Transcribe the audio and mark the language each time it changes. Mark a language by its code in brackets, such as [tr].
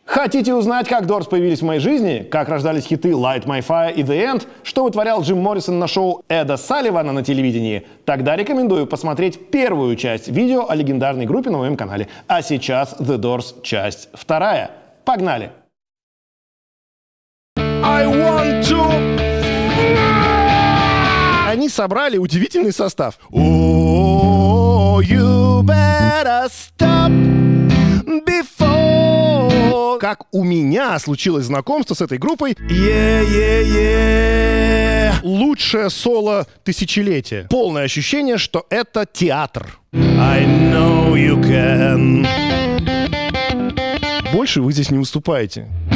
[ru] Хотите узнать, как Doors появились в моей жизни? Как рождались хиты Light My Fire и The End? Что вытворял Джим Моррисон на шоу Эда Салливана на телевидении? Тогда рекомендую посмотреть первую часть видео о легендарной группе на моем канале. А сейчас The Doors, часть вторая. Погнали! [en] I want to... [ru] Они собрали удивительный состав. [en] Oh, you better stop before. [ru] Как у меня случилось знакомство с этой группой. Yeah, yeah, yeah. Лучшее соло тысячелетия. Полное ощущение, что это театр. [en] I know you can. [ru] Больше вы здесь не выступаете.